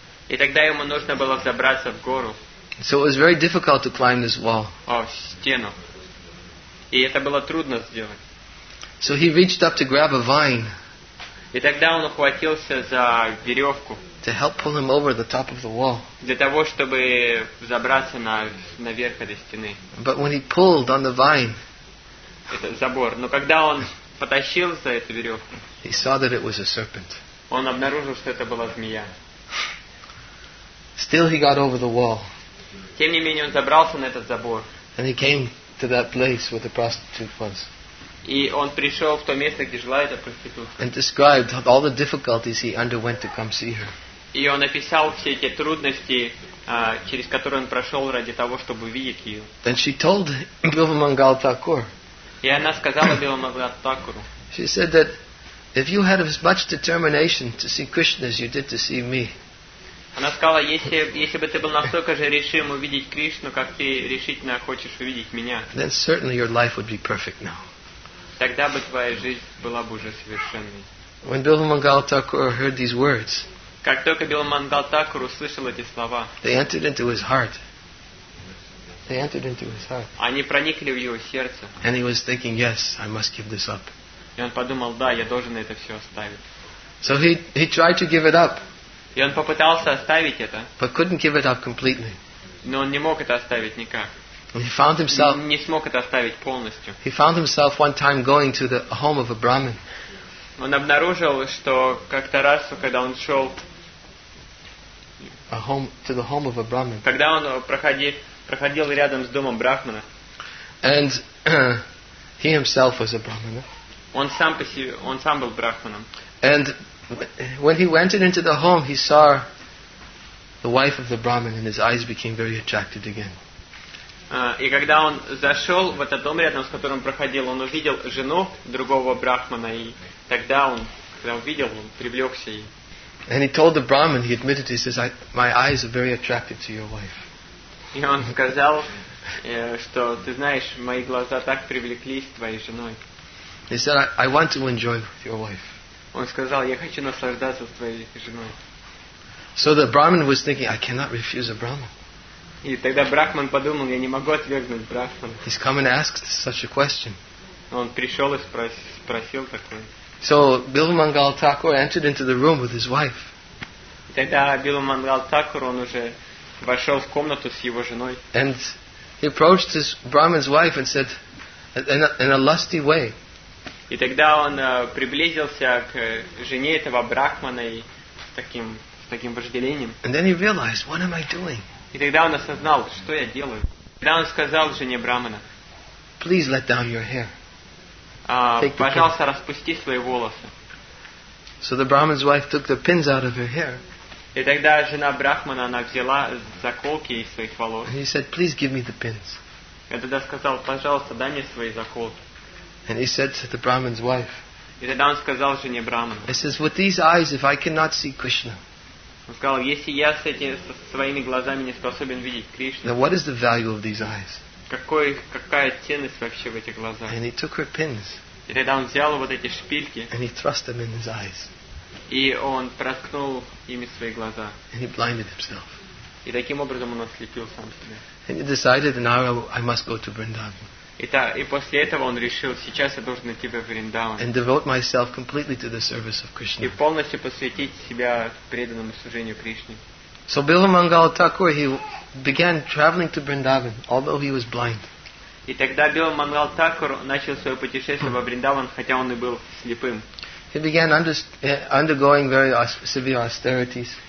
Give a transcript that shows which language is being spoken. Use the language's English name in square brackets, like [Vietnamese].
[Russian] И тогда ему нужно было взобраться в гору. [English] So it was very difficult to climb this wall. [Russian] О, стену. И это было трудно сделать. [English] So he reached up to grab a vine. [Russian] И тогда он ухватился за веревку. [English] To help pull him over the top of the wall. [Russian] Для того, чтобы забраться наверх этой стены. [English] But when he pulled on the vine. [Russian] Это забор. Но когда он потащил за эту веревку. [English] He saw that it was a serpent. [Russian] Он обнаружил, что это была змея. [English] Still he got over the wall. [Russian] Тем не менее, он забрался на этот забор. [English] And he came to that place where the prostitute was. [Russian] И он пришел в то место, где жила эта проститутка. [English] And described all the difficulties he underwent to come see her. [Russian] И он описал все эти трудности, через которые он прошел ради того, чтобы видеть ее. [English] Then she told Бхактивинода Тхакур. [Russian] И она сказала Бхактивинода Тхакуру. [English] She said that if you had as much determination to see Krishna as you did to see me. [Russian] Она сказала, если бы ты был настолько же решим увидеть Кришну, как ты решительно хочешь увидеть меня. [English] Then certainly your life would be perfect now. [Russian] Тогда бы твоя жизнь была бы уже совершенной. [English] When Бхактивинода Тхакур heard these words, [Russian] как только Бхактивинода Тхакур услышал эти слова, [English] they entered into his heart. They entered into his heart. [Russian] Они проникли в его сердце. [English] And he was thinking, yes, I must give this up. [Russian] И он подумал, да, я должен это все оставить. [English] So he tried to give it up. [Russian] И он попытался оставить это. [English] But couldn't give it up completely. [Russian] Но он не мог это оставить никак. [English] He found himself. [Russian] Не смог это оставить полностью. [English] He found himself one time going to the home of a Brahmin. [Russian] Он обнаружил, что как-то раз, когда он шел. [English] A home to the home of a Brahmin. [Russian] Когда он проходил рядом с домом брахмана. [English] And he himself was a Brahmin. [Russian] Он сам был брахманом. [English] And when he went into the home, he saw the wife of the Brahmin, and his eyes became very attracted again. [Russian] И когда он зашел в этот дом, рядом с которым проходил, он увидел жену другого брахмана, и тогда он, когда увидел, он привлекся ей. [English] And he told the Brahmin, he admitted, he says, my eyes are very attracted to your wife. [Russian] И он сказал, что, ты знаешь, мои глаза так привлеклись твоей женой. [English] He said, I want to enjoy your wife. [Russian] Он сказал, я хочу наслаждаться твоей женой. [English] So the Brahmin was thinking, I cannot refuse a Brahmin. [Russian] И тогда брахман подумал, я не могу отвергнуть брахмана. [English] He's come and asked such a question. [Russian] Он пришел и спросил такое. [English] So Бхактивинода Тхакур entered into the room with his wife. [Russian] И тогда Бхактивинода Тхакур он уже вошел в комнату с его женой. [English] And he approached his brahmin's wife and said, in a lusty way. [Russian] И тогда он приблизился к жене этого брахмана и с таким вожделением. [English] And then he realized, what am I doing? [Russian] И тогда он осознал, что я делаю. Тогда он сказал жене брахмана, [English] please let down your hair. [Russian] Пожалуйста, распусти свои волосы. [English] So the brahmin's wife took the pins out of her hair. [Russian] И тогда жена брахмана, она взяла заколки из своих волос. [English] And he said, please give me the pins. [Russian] И тогда сказал, пожалуйста, дай мне свои заколки. [English] And he said to the brahmin's wife, [Russian] и тогда он сказал жене брахмана, [English] he says, with these eyes, if I cannot see Krishna, [Russian] Он сказал, если я с этими своими глазами не способен видеть Кришну. [English] Then what is the value of these eyes? [Russian] Какая ценность вообще в этих глазах? [English] And he took her pins. [Russian] И тогда он взял вот эти шпильки. [English] And he thrust them in his eyes. [Russian] И он проткнул ими свои глаза. [English] And he blinded himself. [Russian] И таким образом он ослепил сам себя. [English] And he decided, now I must go to Vrindavan. [Russian] И после этого он решил, сейчас я должен идти в Вриндаван. [English] And devote myself completely to the service of Krishna. [Russian] И полностью посвятить себя преданному служению Кришне. [English] So Bilva Mangala Thakur, he began traveling to Vrindavan, although he was blind. [Russian] И тогда Бхила Мангал Такур начал свое путешествие во Вриндаван, хотя он и был слепым. [English] He began undergoing very severe austerities.